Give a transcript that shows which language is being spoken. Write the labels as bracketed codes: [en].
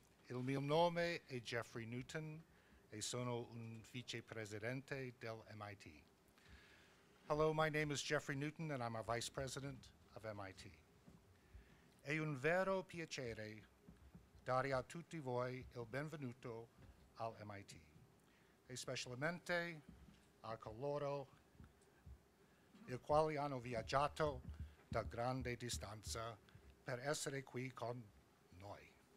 [it] Il mio nome è Jeffrey Newton e sono un vicepresidente del MIT. [en] Hello, my name is Jeffrey Newton and I'm a vice president of MIT. [it] È un vero piacere dare a tutti voi il benvenuto al MIT, especialmente a coloro I quali hanno viaggiato da grande distanza per essere qui con noi.